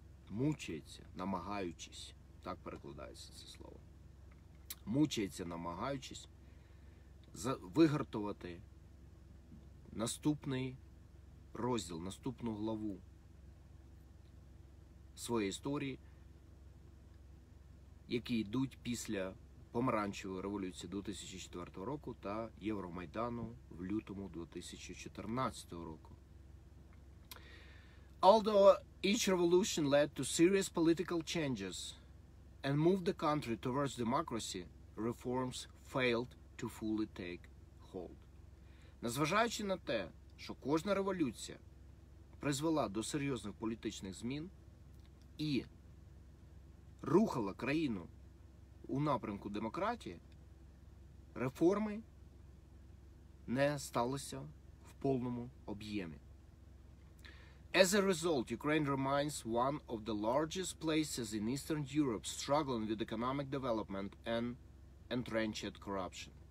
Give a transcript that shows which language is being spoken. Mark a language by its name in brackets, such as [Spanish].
[Ukrainian] мучається, намагаючись, так перекладається це слово, мучається, намагаючись вигартувати наступний розділ, наступну главу своєї історії, які йдуть після помаранчевої революції 2004 року та Євромайдану в лютому 2014 року. [English] Although each revolution led to serious political changes and moved the country towards democracy, reforms failed to fully take hold. [Ukrainian] Незважаючи на те, що кожна революція призвела до серйозних політичних змін і рухала країну у напрямку демократії, реформи не сталися в повному об'ємі. [English] As a result, Ukraine remains one of the largest places in Eastern Europe struggling with economic development and entrenched corruption.